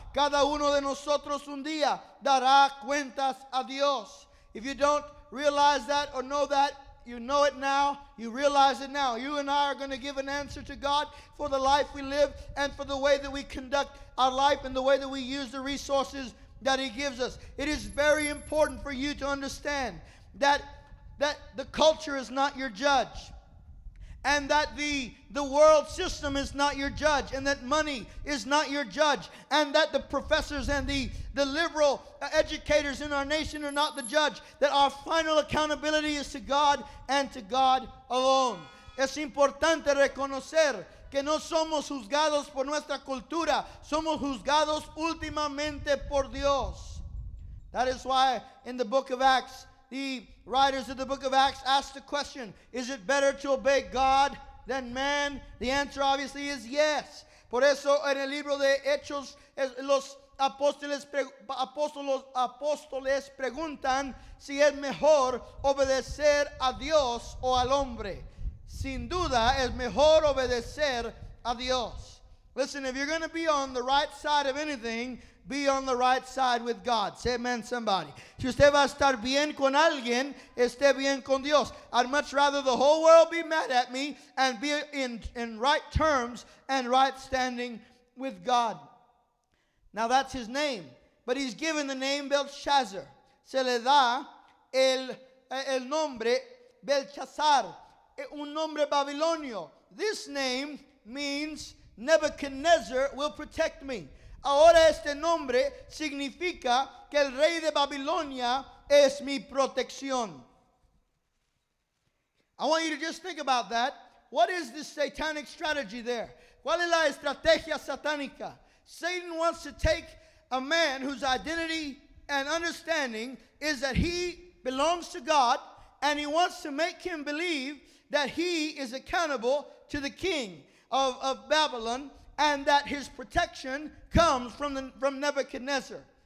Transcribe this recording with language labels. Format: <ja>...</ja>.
<es>Cada uno de nosotros un día dará cuentas a Dios.</es> <en>If you don't realize that or know that, you know it now, you realize it now. You and I are going to give an answer to God for the life we live and for the way that we conduct our life and the way that we use the resources that he gives us. It is very important for you to understand that the culture is not your judge, and that the world system is not your judge, and that money is not your judge, and that the professors and the liberal educators in our nation are not the judge, that our final accountability is to God and to God alone.</en> <es>Es importante reconocer que no somos juzgados por nuestra cultura, somos juzgados últimamente por Dios.</es> <en>That is why in the book of Acts, the writers of the book of Acts asked the question, is it better to obey God than man? The answer obviously is yes.</en> <es>Por eso en el libro de Hechos, los apóstoles preguntan si es mejor obedecer a Dios o al hombre. Sin duda, es mejor obedecer a Dios.</es> <en>Listen, if you're going to be on the right side of anything, be on the right side with God. Say amen, somebody.</en> <es>Si usted va a estar bien con alguien, esté bien con Dios.</es> <en>I'd much rather the whole world be mad at me and be in right terms and right standing with God. Now, that's his name. But he's given the name Belshazzar.</en> <es>Se le da el nombre Belshazzar. Un nombre babilonio.</es> <en>This name means Nebuchadnezzar will protect me.</en> <es>Ahora este nombre significa que el rey de Babilonia es mi protección.</es> <en>I want you to just think about that. What is the satanic strategy there?</en> <es>¿Cuál es la estrategia satánica?</es> <en>Satan wants to take a man whose identity and understanding is that he belongs to God, and he wants to make him believe that he is accountable to the king of Babylon, and that his protection comes from Nebuchadnezzar.</en>